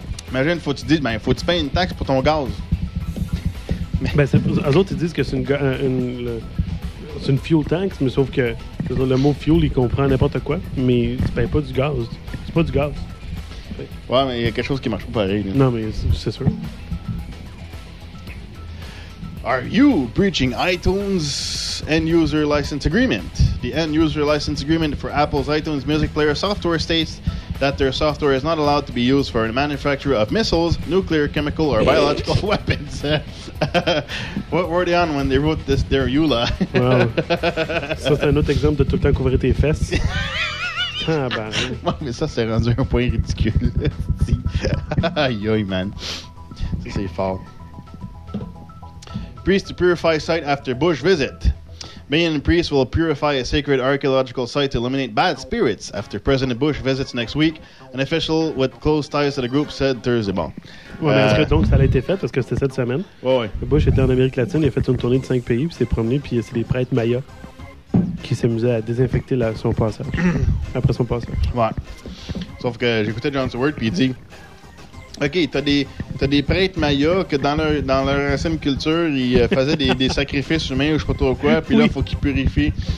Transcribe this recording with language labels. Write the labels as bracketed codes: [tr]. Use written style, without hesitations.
[fr] Imagine, faut-tu dire, ben, faut-tu payer une taxe pour ton gaz? Ben, eux autres, ils disent que c'est une fuel tax, mais sauf que le mot fuel, il comprend n'importe quoi, mais tu payes pas du gaz. C'est pas du gaz. Ouais, mais il y a quelque chose qui marche pas pareil. Là. Non, mais c'est sûr. [en] Are you breaching iTunes end user license agreement? The end user license agreement for Apple's iTunes Music Player software states that their software is not allowed to be used for the manufacture of missiles, nuclear, chemical, or biological weapons. What were they on when they wrote this, their EULA? Wow. [fr] Ça, c'est un autre exemple de tout le temps couvrir tes fesses. Ah, ben. Ouais, mais ça, c'est rendu un point ridicule. Aïe, man. Ça, c'est fort. [en] Priest to purify site after Bush visit. Mayan priests will purify a sacred archaeological site to eliminate bad spirits after President Bush visits next week. An official with close ties to the group said Thursday. [fr] Bon. Ouais, mais est-ce que donc ça a été fait parce que c'était cette semaine? Ouais, ouais. Bush était en Amérique latine, il a fait une tournée de 5 pays, puis s'est promené, puis c'est des prêtres mayas qui s'amusaient à désinfecter son passage. Après son passage. Ouais. Sauf que j'écoutais John Stewart, puis il dit. OK, t'as des prêtres mayas que dans leur ancienne culture, ils faisaient des sacrifices humains ou je sais pas trop quoi, puis là, il faut qu'ils purifient.